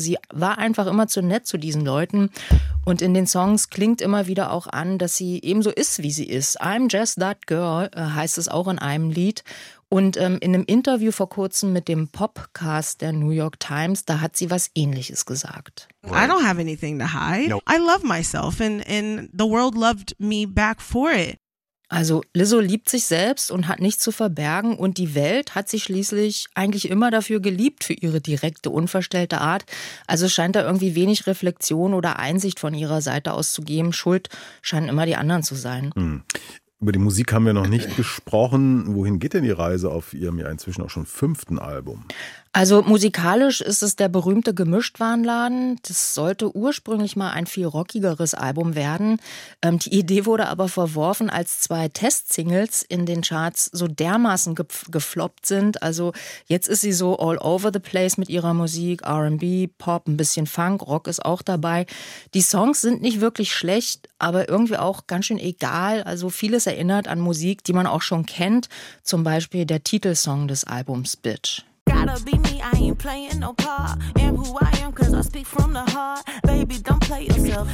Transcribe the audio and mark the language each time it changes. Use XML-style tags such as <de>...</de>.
<de>Sie war einfach immer zu nett zu diesen Leuten. Und in den Songs klingt immer wieder auch an, dass sie ebenso ist, wie sie ist.</de> <en>I'm just that girl,</en> <de>heißt es auch in einem Lied. Und in einem Interview vor kurzem mit dem Popcast der New York Times, da hat sie was Ähnliches gesagt.</de> <en>I don't have anything to hide. No. I love myself and the world loved me back for it.</en> <de>Also Lizzo liebt sich selbst und hat nichts zu verbergen und die Welt hat sie schließlich eigentlich immer dafür geliebt, für ihre direkte, unverstellte Art. Also es scheint da irgendwie wenig Reflexion oder Einsicht von ihrer Seite aus zu geben. Schuld scheinen immer die anderen zu sein. Hm. Über die Musik haben wir noch nicht gesprochen. Wohin geht denn die Reise auf Ihrem ja inzwischen auch schon fünften Album? Also musikalisch ist es der berühmte Gemischtwarenladen. Das sollte ursprünglich mal ein viel rockigeres Album werden. Die Idee wurde aber verworfen, als zwei Testsingles in den Charts so dermaßen gefloppt sind. Also jetzt ist sie so</de> <en>all over the place</en> <de>mit ihrer Musik, R&B, Pop, ein bisschen Funk, Rock ist auch dabei. Die Songs sind nicht wirklich schlecht, aber irgendwie auch ganz schön egal. Also vieles erinnert an Musik, die man auch schon kennt. Zum Beispiel der Titelsong des Albums Bitch.</de> <en>Gotta be me, I ain't playing no part. Am who I am, cause I speak from the heart. Baby, don't play yourself.</en>